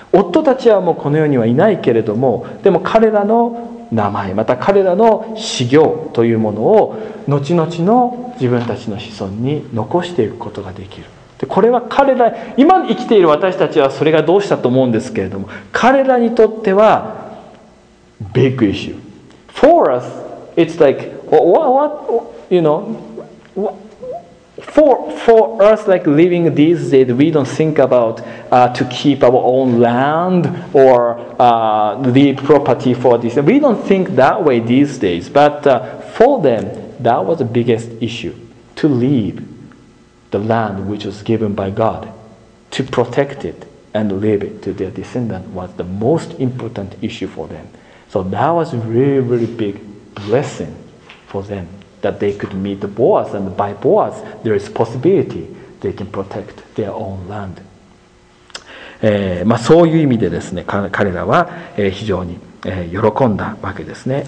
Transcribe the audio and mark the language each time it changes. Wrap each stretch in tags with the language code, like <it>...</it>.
<ja>夫たちはもうこの世にはいないけれども、でも彼らの名前、また彼らの修行というものを後々の自分たちの子孫に残していくことができる。で、これは彼ら、今生きている私たちはそれがどうしたと思うんですけれども、彼らにとっては</ja> <en>big issue. For us, it's like what you know, whatFor us, like living these days, we don't think about to keep our own land or leave property for this. We don't think that way these days. But for them, that was the biggest issue, to leave the land which was given by God, to protect it and leave it to their descendant was the most important issue for them. So that was a really, really big blessing for them, that they could meet the Boaz, and by Boaz, there is possibility they can protect their own land.</en> <ja>まあ、そういう意味でですね、彼らは非常に喜んだわけですね。</ja>